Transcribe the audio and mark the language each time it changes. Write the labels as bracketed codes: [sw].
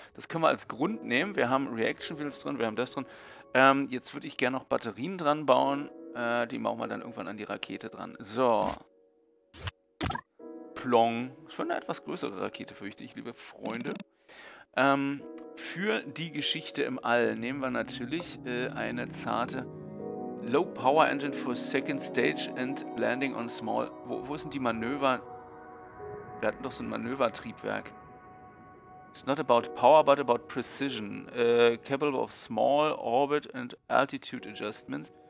[de] Das können wir als Grund nehmen. Wir haben Reaction Wheels drin, wir haben das drin. Jetzt würde ich gerne noch Batterien dran bauen. Die machen wir dann irgendwann an die Rakete dran. So. Plong. Das war eine etwas größere Rakete, fürchte ich, liebe Freunde. Für die Geschichte im All nehmen wir natürlich eine zarte... [en] Low Power Engine for Second Stage and Landing on Small. [de] Wo sind die Manöver? Wir hatten doch so ein Manövertriebwerk. [en] It's not about power, but about precision. Capable of small orbit and altitude adjustments.